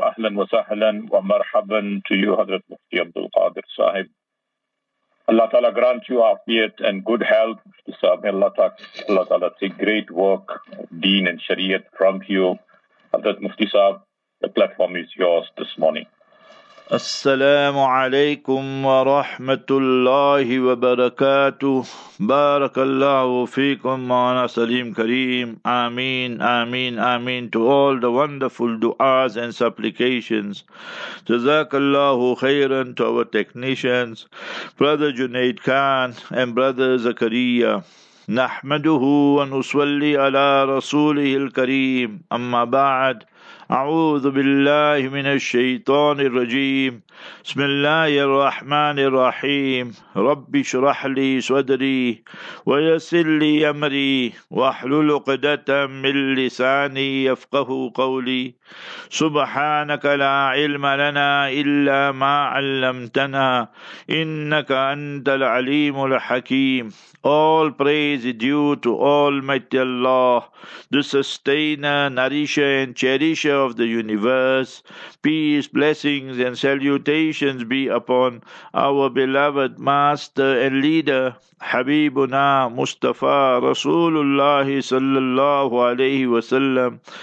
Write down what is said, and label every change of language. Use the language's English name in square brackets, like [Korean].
[Arabic] أهلا وسهلا ومرحبا [English] to you [Arabic] حضرت مفتي عبد القادر صاحب. [English] الله تعالى grant you عافيت and good health. الله تعالى take great work دين and شريعت from you. حضرت مفتي صاحب, the platform is yours this morning. [Arabic] السلام عليكم ورحمة الله وبركاته. بارك الله فيكم معنا سليم كريم. آمين آمين آمين [English] to all the wonderful du'as and supplications. [Arabic] جزاك الله خيرا [English] to our technicians, brother Junaid Khan and brother Zakariya. [Arabic] نحمده ونصلي على رسوله الكريم. أما بعد, أعوذ بالله من الشيطان الرجيم. بسم الله الرحمن الرحيم. رب اشرح لي صدري ويسر لي أمري واحلل عقدة من لساني يفقه قولي. سبحانك لا علم لنا إلا ما علمتنا إنك أنت العليم الحكيم. [English] All praise is due to Almighty Allah, the sustainer, nourisher and cherisher of the universe. Peace, blessings and salutations be upon our beloved master and leader, Habibuna Mustafa Rasulullah sallallahu alayhi wa sallam.